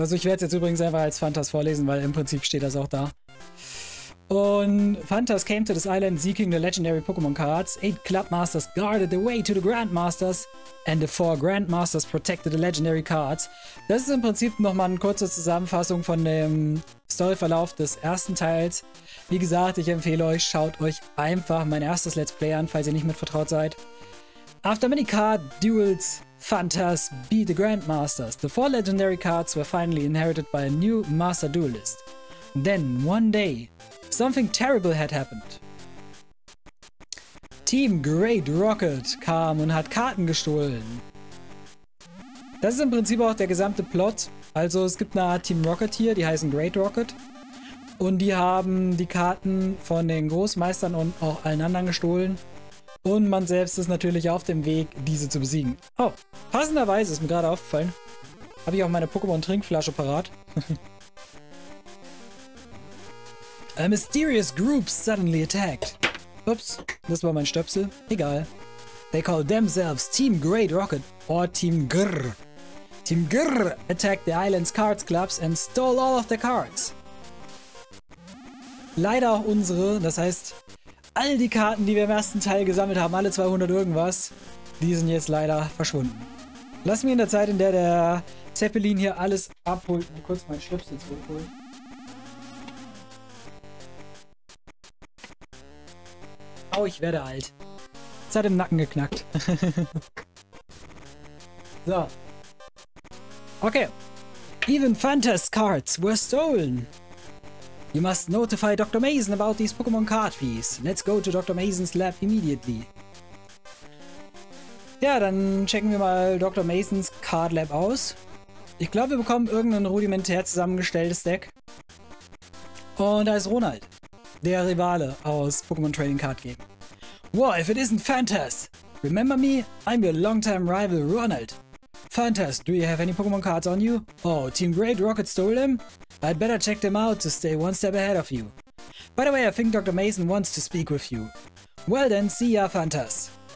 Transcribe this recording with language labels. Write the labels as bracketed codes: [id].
[de] Also ich werde es jetzt übrigens einfach als Phantas vorlesen, weil im Prinzip steht das auch da. [en] Und Phantas came to this island seeking the legendary Pokémon Cards. 8 Clubmasters guarded the way to the Grandmasters and the 4 Grandmasters protected the legendary Cards. [de] Das ist im Prinzip nochmal eine kurze Zusammenfassung von dem Storyverlauf des ersten Teils. Wie gesagt, ich empfehle euch, schaut euch einfach mein erstes Let's Play an, falls ihr nicht mit vertraut seid. [en] After many card duels, Phantas beat the Grandmasters. The 4 legendary cards were finally inherited by a new master duelist. Then, one day, something terrible had happened. [de] Team Great Rocket kam und hat Karten gestohlen. Das ist im Prinzip auch der gesamte Plot. Also es gibt eine Art Team Rocket hier, die heißen Great Rocket. Und die haben die Karten von den Großmeistern und auch allen anderen gestohlen. Und man selbst ist natürlich auf dem Weg, diese zu besiegen. Oh, passenderweise ist mir gerade aufgefallen. Habe ich auch meine Pokémon-Trinkflasche parat. [en] A mysterious group suddenly attacked. [de] Ups, das war mein Stöpsel. Egal. [en] They call themselves Team Great Rocket or Team Grrr. Team Grrr attacked the island's cards clubs and stole all of the cards. [de] Leider auch unsere, das heißt, all die Karten, die wir im ersten Teil gesammelt haben, alle 200 irgendwas, die sind jetzt leider verschwunden. Lass mich in der Zeit, in der der Zeppelin hier alles abholt, mal kurz mein Stöpsel zurückholen. Ich werde alt. Es hat im Nacken geknackt. [en] So. Okay. Even Fantas cards were stolen. You must notify Dr. Mason about these Pokémon card fees. Let's go to Dr. Mason's lab immediately. [de] Ja, dann checken wir mal Dr. Masons Card Lab aus. Ich glaube, wir bekommen irgendein rudimentär zusammengestelltes Deck. Und da ist Ronald, der Rivale aus Pokémon Trading Card Game. [en] Whoa, if it isn't Fantas! Remember me? I'm your longtime rival, Ronald. Fantas, do you have any Pokémon cards on you? Oh, Team Great Rocket stole them? I'd better check them out to stay one step ahead of you. By the way, I think Dr. Mason wants to speak with you. Well then, see ya, Fantas.